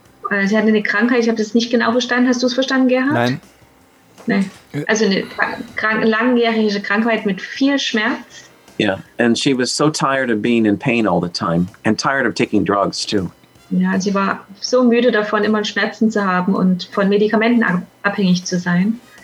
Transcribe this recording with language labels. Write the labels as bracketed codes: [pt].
[de] Sie hatte eine Krankheit, ich habe das nicht genau verstanden. Hast du es verstanden, Gerhard? Nein. Nein. Also eine langjährige Krankheit mit viel Schmerz. [en] Yeah, and she was so tired of being in pain all the time and tired of taking drugs too. [de] Ja, sie war so müde davon, immer Schmerzen zu haben und von Medikamenten abhängig zu sein.